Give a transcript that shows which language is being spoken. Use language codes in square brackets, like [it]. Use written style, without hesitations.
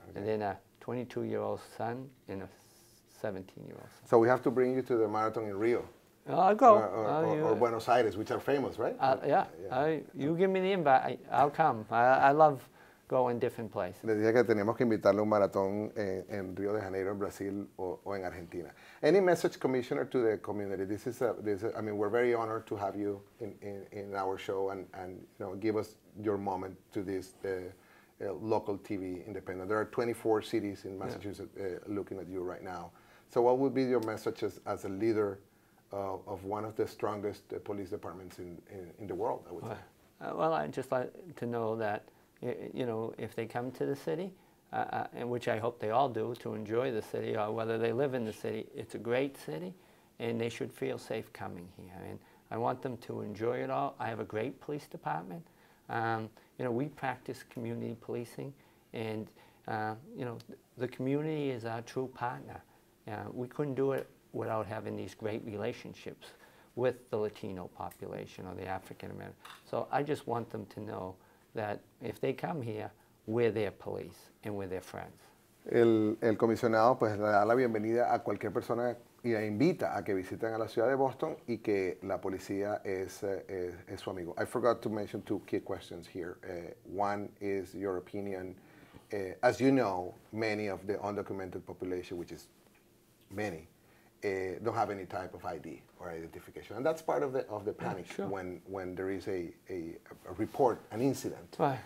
[en] And then a 22-year-old son and a 17-year-old son. So we have to bring you to the marathon in Rio. I'll go. Or Buenos Aires, which are famous, right? Yeah. You give me the invite, I'll come. I love go in different places. [es] Le dije que teníamos que invitarle un maratón en Río de Janeiro, en Brasil, o en Argentina. [en] Any message, Commissioner, to the community? We're very honored to have you in our show and you know, give us your moment to this local TV independent. There are 24 cities in Massachusetts looking at you right now. So what would be your message as a leader of one of the strongest police departments in the world, I would say? Well, I'd just like to know that, you know, if they come to the city, and which I hope they all do, to enjoy the city, or whether they live in the city, it's a great city, and they should feel safe coming here. And I want them to enjoy it all. I have a great police department. You know, we practice community policing, and, you know, the community is our true partner. We couldn't do it without having these great relationships with the Latino population or the African American. So I just want them to know that if they come here, we're their police and we're their friends. [es] El comisionado pues le da la bienvenida a cualquier persona y la invita a que visiten a la ciudad de Boston y que la policía es su amigo. [en] I forgot to mention two key questions here. One is your opinion. As you know, many of the undocumented population, which is many, don't have any type of ID or identification, and that's part of the panic. Yeah, sure. when there is a report, an incident, right.